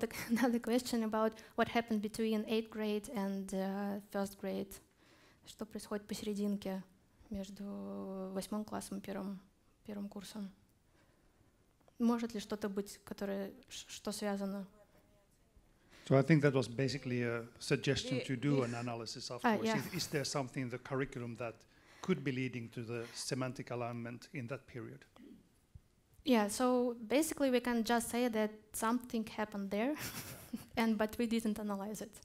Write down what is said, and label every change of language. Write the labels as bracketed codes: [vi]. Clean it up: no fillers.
[en] Another question about what happened between eighth grade and first grade. [ru] Что происходит посерединке между восьмым классом и первым курсом? Может ли что-то быть, которое, что связано? [en] So I think that was basically a suggestion to do an analysis of course. Yeah. Is there something in the curriculum that could be leading to the semantic alignment in that period? Yeah, so basically we can just say that something happened there, and but we didn't analyze it.